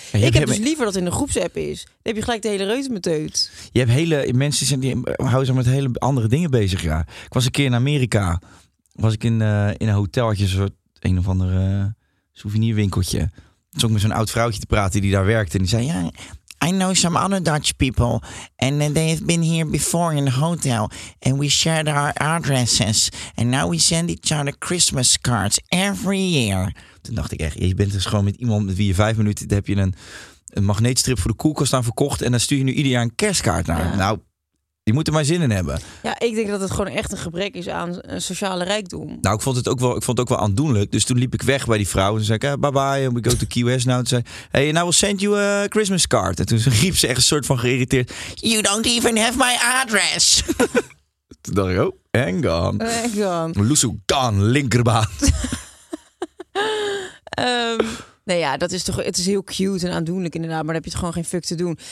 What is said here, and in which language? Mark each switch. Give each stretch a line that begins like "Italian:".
Dutch: Ja, ik heb liever dat in de groepsapp is. Dan heb je gelijk de hele reutemeteut. Je hebt hele mensen die houden zich met hele andere dingen bezig. Ja. Ik was een keer in Amerika. Was ik in een hoteltje, een of andere souvenirwinkeltje. Toen zat ik met zo'n oud vrouwtje te praten die daar werkte. En die zei, ja...
English: I know some other Dutch people and they have been here before in the hotel and we shared our addresses and now we send each other Christmas cards every year.
Dutch: Toen dacht ik echt, je bent dus gewoon met iemand met wie je 5 minuten, dan heb je een magneetstrip voor de koelkast aan verkocht en dan stuur je nu ieder jaar een kerstkaart naar. Ja. Nou, die moeten maar zin in hebben. Ja, ik denk dat het gewoon echt een gebrek is aan een sociale rijkdom. Nou, ik vond het ook wel aandoenlijk. Dus toen liep ik weg bij die vrouw en zei ik,
English: bye bye, we go to Key West now.
Dutch: Toen zei,
English: hey, now we'll send you a Christmas card.
Dutch: En toen riep ze echt een soort van geïrriteerd,
English: you don't even have my address.
Dutch: Toen dacht ik,
English: oh, hang on.
Dutch: Loesoe, gone, linkerbaan. Nee, ja, dat is toch, het is heel cute en aandoenlijk inderdaad, maar dan heb je het gewoon geen fuck te doen.